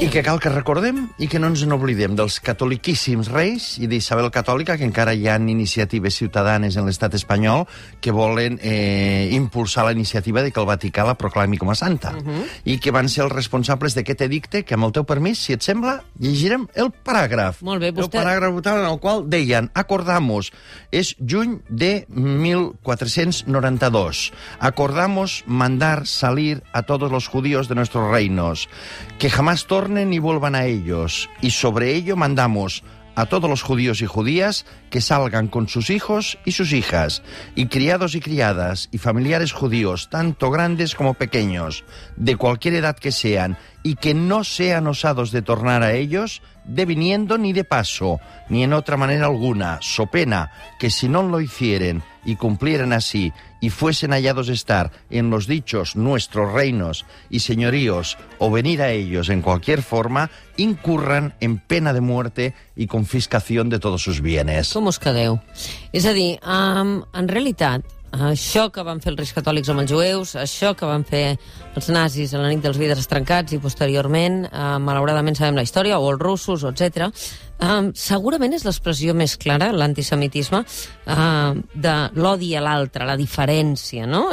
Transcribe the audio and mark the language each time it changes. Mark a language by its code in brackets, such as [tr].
[ca] I que cal que recordem i que no ens n'oblidem dels catoliquíssims reis i d'Isabel Catòlica, que encara hi ha iniciatives ciutadanes en l'estat espanyol que volen impulsar la iniciativa de que el Vaticà la proclami com a santa. Uh-huh. I que van ser els responsables d'aquest edicte que, amb el teu permís, si et sembla, llegirem el paràgraf. Molt bé, vostè... El paràgraf en el qual deien, acordamos, és juny de 1492, [es] acordamos mandar salir a todos los judíos de nuestros reinos, que jamás tornen ni vuelvan a ellos, y sobre ello mandamos a todos los judíos y judías que salgan con sus hijos y sus hijas, y criados y criadas, y familiares judíos, tanto grandes como pequeños, de cualquier edad que sean, y que no sean osados de tornar a ellos, de viniendo ni de paso, ni en otra manera alguna, so pena que si no lo hicieren y cumplieran así, y fuesen hallados estar en los dichos nuestros reinos y señoríos, o venir a ellos en cualquier forma, incurran en pena de muerte y confiscación de todos sus bienes. [ca] Com us quedeu? És a dir, en realitat, això que van fer els Reis Catòlics amb els jueus, això que van fer els nazis a la nit dels vidres trencats i posteriorment, malauradament sabem la història, o els russos, etc., segurament és l'expressió més clara, l'antisemitisme, de l'odi a l'altre, la diferència, no?